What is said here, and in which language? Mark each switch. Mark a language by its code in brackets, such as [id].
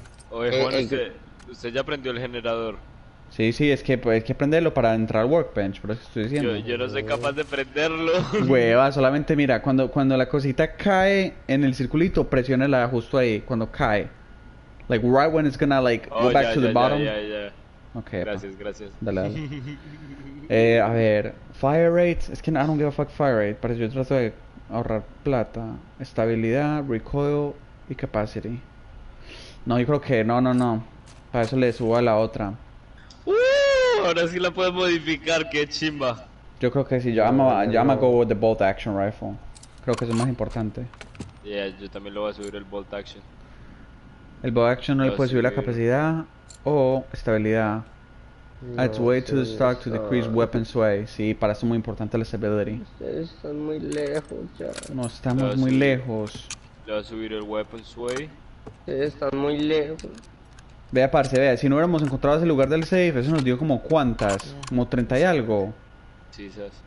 [es] Oye, Juan, usted ya prendió el generador. Sí, es que prenderlo para entrar al workbench, por eso estoy diciendo. Yo no soy capaz de prenderlo. Hueva, solamente mira, cuando la cosita cae en el circulito, presiónela justo ahí, cuando cae. [en] Like, right when it's gonna, like, go back to the bottom. [es] Ya. [en] Okay, [es] gracias. Dale. A ver, fire rate, es que [en] I don't give a fuck fire rate, [es] parece que yo trato de ahorrar plata. Estabilidad, recoil y capacity. No, yo creo que no. Para eso le subo a la otra. Ahora sí la puedes modificar, qué chimba. Yo creo que sí, yo amo [en] go with the bolt action rifle. [es] Creo que es el más importante. Yeah, yo también lo voy a subir el bolt action. El bolt action no le puede subir la capacidad o estabilidad. [en] Adds weight to the stock to decrease weapon sway. [es] Sí, para eso es muy importante la stability. Ustedes están muy lejos ya. No, estamos muy lejos. Le voy a subir el weapon sway. Están muy lejos. Vea, parce, vea. Si no hubiéramos encontrado ese lugar del safe, eso nos dio como cuántas. Como 30 y algo. Sí, ¿sabes?